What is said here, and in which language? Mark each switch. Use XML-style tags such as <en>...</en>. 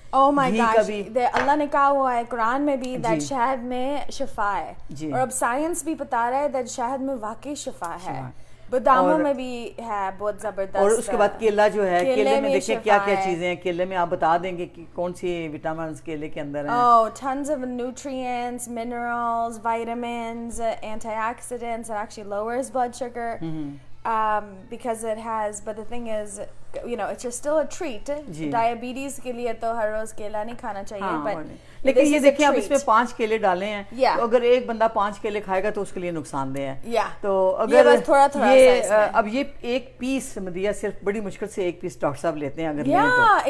<en>oh my God,</en> <hi>अल्लाह ने कहा हुआ है कुरान में भी दैट शहद में शफा है, और अब साइंस भी बता रहा है दैट शहद में वाकई शफा है, बादामों में भी है बहुत जबरदस्त, और उसके बाद केला जो है, केले में देखिए क्या क्या चीजें हैं, केले में आप बता देंगे कि कौन सी विटामिन्स केले के अंदर हैं।</hi> <en>Oh tons of nutrients, minerals, vitamins, antioxidants, it actually lowers blood sugar because it has, but the thing is, you know, it's just still a treat.</en> <hi>Diabetes के लिए तो हर रोज केला नहीं खाना चाहिए, but लेकिन ये देखिए आप इसमें 5 केले डाले हैं, तो अगर एक बंदा 5 केले खाएगा तो उसके लिए नुकसानदेह है। तो अगर ये थोड़ा थोड़ा ये, अब ये एक पीस मदिया सिर्फ बड़ी मुश्किल से एक पीस डॉक्टर साहब लेते हैं, अगर</hi>